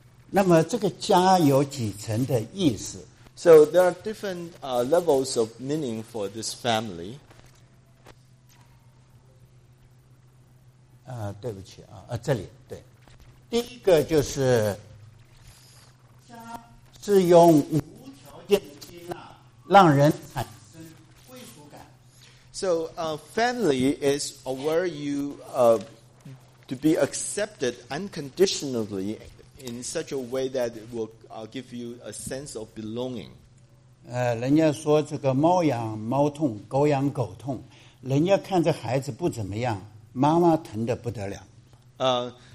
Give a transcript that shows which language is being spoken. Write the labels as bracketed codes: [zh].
[zh] 那么这个家有几层的意思？ [en] So there are different levels of meaning for this family. [zh] 对不起啊，这里对。第一个就是。是用无条件的接纳让人产生归属感。 [en] So, family is where you to be accepted unconditionally in such a way that it will give you a sense of belonging. [zh] 人家说这个猫养猫痛，狗养狗痛，人家看着孩子不怎么样，妈妈疼得不得了。